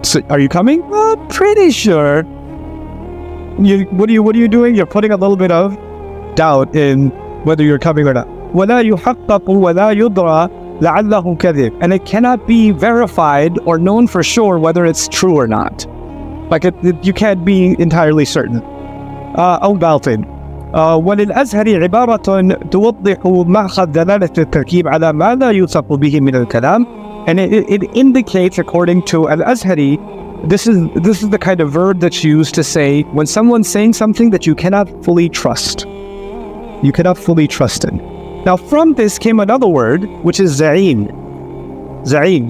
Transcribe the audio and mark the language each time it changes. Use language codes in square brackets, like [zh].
[en] Are you coming? I'm pretty sure. What are you doing? You're putting a little bit of doubt in whether you're coming or not. [ar] وَلَا يُحَقَّقُ وَلَا يُدْرَى لَعَلَّهُ كَذِبٌ. [en] And it cannot be verified or known for sure whether it's true or not. Like, you can't be entirely certain. [ar] أو باطن. وللأزهري عبارة توضح مأخذ دلالة التركيب على ما لا يوثق به من الكلام. [en] And it indicates, according to Al-Azhari, this is the kind of verb that's used to say when someone's saying something that you cannot fully trust. You cannot fully trust in. Now, from this came another word, which is za'im. Za'im.